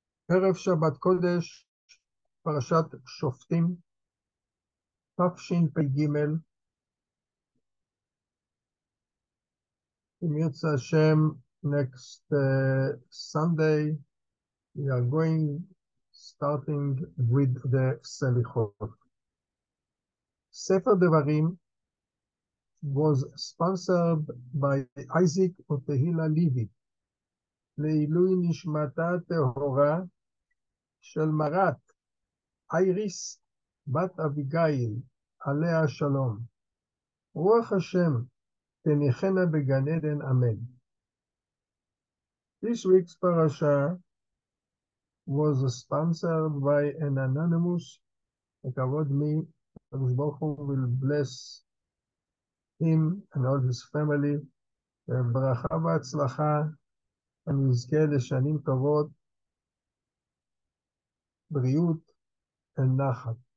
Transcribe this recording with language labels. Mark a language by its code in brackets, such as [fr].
[he] ערב שבת קודש, פרשת שופטים, תשפ"ג. [en] אם ירצה השם, next Sunday, we are going, starting with the סליחות. ספר דברים was sponsored by Isaac of the Hila Levi. [he] לעילוי נשמתה טהורה של מרת אייריס בת אביגיל עליה שלום. רוח השם תניחנה בגן עדן, אמן. [en] This week's parasha was sponsored by an anonymous, הכבוד מי, הקדוש ברוך הוא will bless him and all his family, [he] ברכה והצלחה, אני אזכה לשנים טובות, בריאות ונחת.